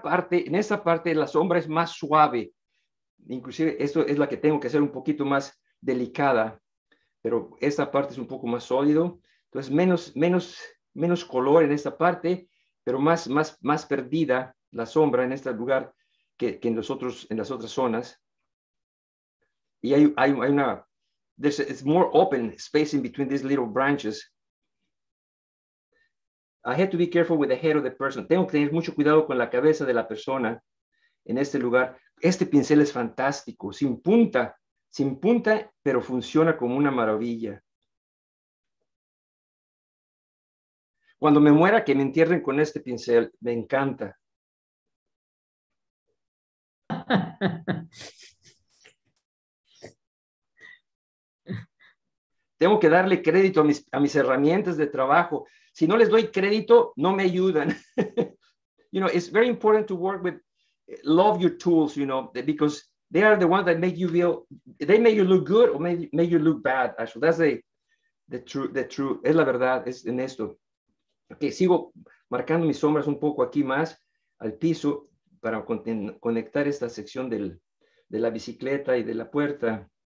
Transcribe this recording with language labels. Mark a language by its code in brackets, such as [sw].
[es] En esta parte, la sombra es más suave. Inclusive, esto es la que tengo que hacer un poquito más delicada. Pero esta parte es un poco más sólido. Entonces, menos color en esta parte, pero más perdida la sombra en este lugar que en las otras zonas. Y hay una... [en] It's more open space in between these little branches. I have to be careful with the head of the person. [es] Tengo que tener mucho cuidado con la cabeza de la persona en este lugar. Este pincel es fantástico, sin punta, pero funciona como una maravilla. Cuando me muera, que me entierren con este pincel. Me encanta. Tengo que darle crédito a mis herramientas de trabajo. Si no les doy crédito, no me ayudan. [en] You know, it's very important to work with, love your tools, you know, because they are the ones that make you feel, they make you look good or make you look bad. Actually, that's the true, [es] es la verdad, es en esto. Ok, sigo marcando mis sombras un poco aquí más al piso para conectar esta sección de la bicicleta y de la puerta.